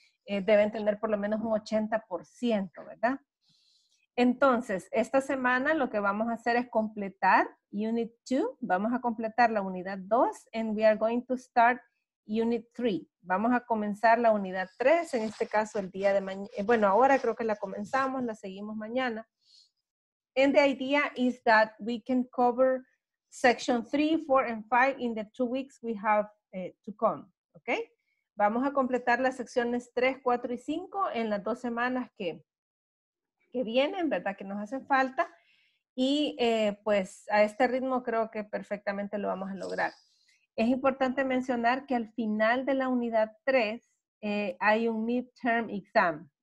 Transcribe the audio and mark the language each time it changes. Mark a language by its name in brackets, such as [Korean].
[Spanish] Deben tener por lo menos un 80%, ¿verdad? Entonces, esta semana lo que vamos a hacer es completar Unit 2. Vamos a completar la Unidad 2 [English] and we are going to start Unit 3. [Spanish] Vamos a comenzar la Unidad 3, en este caso el día de mañana. Bueno, ahora creo que la comenzamos, la seguimos mañana. [English] And the idea is that we can cover section 3, 4, and 5 in the 2 weeks we have to come, okay? [Spanish] Vamos a completar las secciones 3, 4, y 5 en las 2 semanas que vienen, ¿verdad? Que nos hacen falta. Y pues a este ritmo creo que perfectamente lo vamos a lograr. Es importante mencionar que al final de la unidad 3 hay un midterm exam.